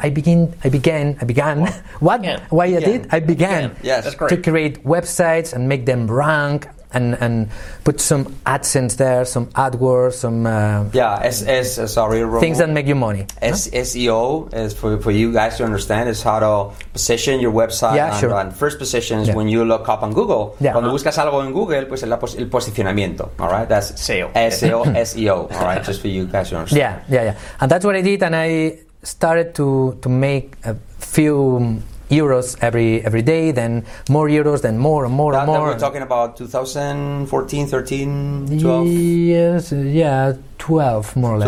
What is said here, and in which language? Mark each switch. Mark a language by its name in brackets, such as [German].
[English] I began to create websites and make them rank. And put some AdSense there, some AdWords, some things that make you money. SEO is for you guys to understand is how to position your website. Yeah, and, sure. And first position is when you look up on Google. Yeah. [Spanish] Cuando buscas algo en Google, pues el posicionamiento. [English] All right, that's SEO. SEO, SEO. All right, just for you guys to understand. Yeah. And that's what I did, and I started to make a few euros every day, then more euros, then more and more that, and more. That we're talking about 2014, 13, 12? Yes, yeah, 12 more or less.